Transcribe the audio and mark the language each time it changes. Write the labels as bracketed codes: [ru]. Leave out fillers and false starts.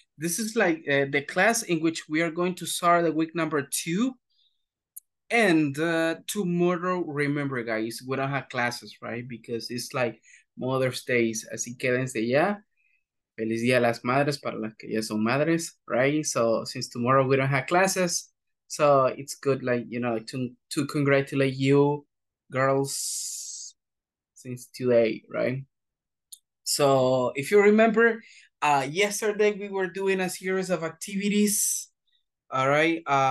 [en] This is like the class in which we are going to start the week number 2. And tomorrow, remember, guys, we don't have classes, right? Because it's like Mother's Day. [es] Así quédense ya. Feliz día a las madres para las que ya son madres, right? [en] So since tomorrow we don't have classes, so it's good, like, you know, to congratulate you girls since today, right? So if you remember, yesterday we were doing a series of activities, all right?